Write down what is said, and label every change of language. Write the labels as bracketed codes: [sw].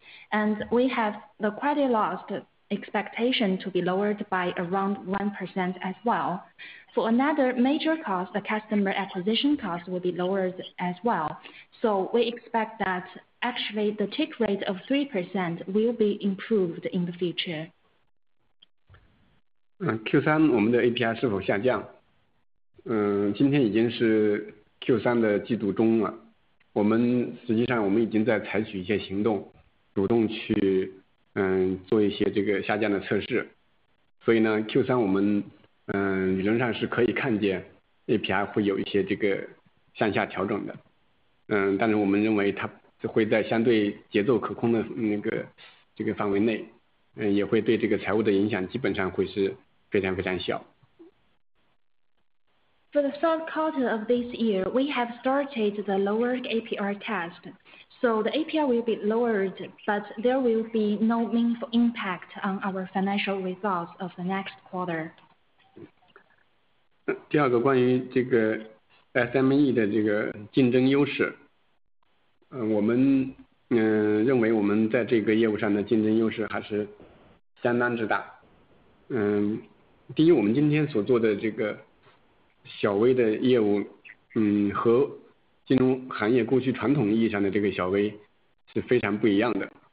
[en] And we have the credit loss expectation to be lowered by around 1% as well. For another major cost, the customer acquisition cost will be lowered as well. So we expect that actually the take rate of 3% will be improved in the future. [zh] Q3, 我们的 API 是否下降？今天已经是 Q3 的季度中了。我们实际上我们已经在采取一些行动，主动去做一些这个下降的测试，所以呢 Q3 我们理论上是可以看见 API 会有一些这个向下调整的，但是我们认为它会在相对节奏可控的那个这个范围内，也会对这个财务的影响基本上会是非常非常小。 [en] For the third quarter of this year, we have started the lower APR test. So the APR will be lowered, but there will be no meaningful impact on our financial results of the next quarter. [zh] 第二个关于这个 SME 的这个竞争优势，我们认为我们在这个业务上的竞争优势还是相当之大。第一，我们今天所做的这个小微的业务，和金融行业过去传统意义上的这个小微是非常不一样的。